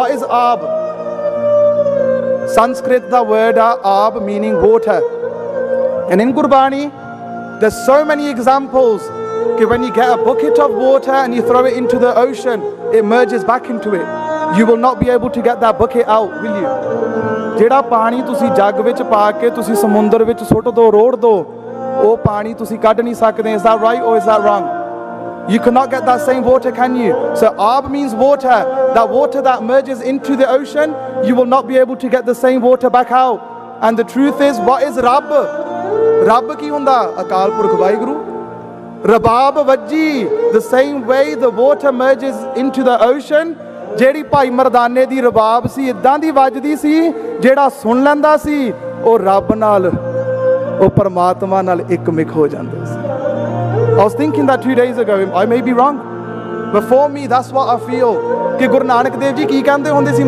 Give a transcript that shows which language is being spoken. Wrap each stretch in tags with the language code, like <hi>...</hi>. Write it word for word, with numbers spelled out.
<en>What is aab? Sanskrit, the word aab meaning water. And in Gurbani, there's so many examples. Okay, when you get a bucket of water and you throw it into the ocean, it merges back into it. You will not be able to get that bucket out, will you?</en> <pa>ਜਿਹੜਾ ਪਾਣੀ ਤੁਸੀਂ ਜੱਗ ਵਿੱਚ ਪਾ ਕੇ ਤੁਸੀਂ ਸਮੁੰਦਰ ਵਿੱਚ ਸੁੱਟ ਦੋ, ਰੋੜ ਦੋ, ਉਹ ਪਾਣੀ ਤੁਸੀਂ ਕੱਢ ਨਹੀਂ ਸਕਦੇ।</pa> <en>Is that right or is that wrong? You cannot get that same water, can you? So aab means water. That water that merges into the ocean, you will not be able to get the same water back out. And the truth is, what is Rabb?</en> <pa>Rabb ਕੀ ਹੁੰਦਾ? Akal Purakh Waheguru.</pa> <en>Rabab Vajji, the same way the water merges into the ocean,</en> <pa>ਜਿਹੜੀ ਭਾਈ ਮਰਦਾਨੇ ਦੀ ਰਬਾਬ ਸੀ ਇੱਦਾਂ ਦੀ ਵੱਜਦੀ ਸੀ, ਜਿਹੜਾ ਸੁਣ ਲੈਂਦਾ ਸੀ ਉਹ ਰੱਬ ਨਾਲ, ਉਹ ਪਰਮਾਤਮਾ ਨਾਲ ਇੱਕ ਮਿਕ ਹੋ ਜਾਂਦਾ ਸੀ।</pa> <en>I was thinking that two days ago, I may be wrong, but for me that's what I feel,</en> <pa>ਕਿ ਗੁਰੂ ਨਾਨਕ ਦੇਵ ਜੀ ਕੀ ਕਹਿੰਦੇ ਹੁੰਦੇ ਸੀ?</pa>